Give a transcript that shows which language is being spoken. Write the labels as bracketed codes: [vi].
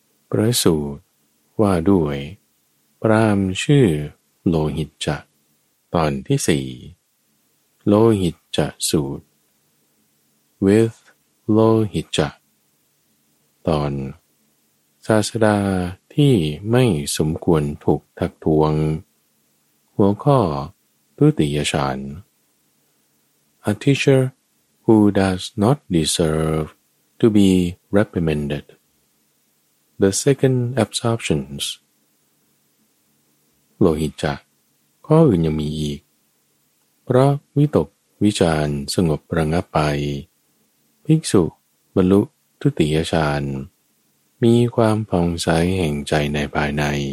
[th] พระสูตรว่าด้วยพราหมณ์ชื่อโลหิตจะตอนที่สี่โลหิตจะสูตร with โลหิตจะตอนศาสดาที่ไม่สมควรถูกทักท้วงหัวข้อทุติยฌาน [en] A teacher who does not deserve to be reprimanded. The second absorptions. [th] โลหิตจักข้ออื่นยังมีอีกเพราะวิตกวิจารสงบระงับไปภิกษุบรรลุทุติยฌานมีความผ่องใสแห่งใจในภายใน